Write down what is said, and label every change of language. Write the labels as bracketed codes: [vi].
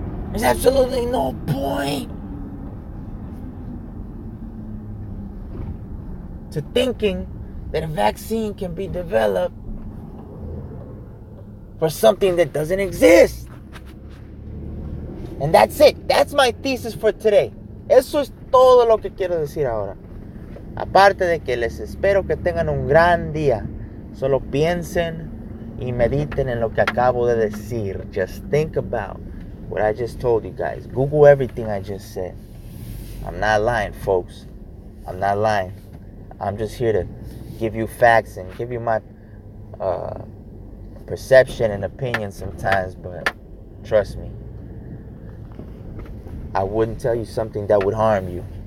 [en] There's absolutely no point to thinking that a vaccine can be developed for something that doesn't exist. And that's it. That's my thesis for today. [es] Eso es todo lo que quiero decir ahora. Aparte de que les espero que tengan un gran día. Solo piensen y mediten en lo que acabo de decir. [en] Just think about what I just told you guys. Google everything I just said. I'm not lying, folks. I'm not lying. I'm just here to give you facts and give you my perception and opinion sometimes, but trust me, I wouldn't tell you something that would harm you.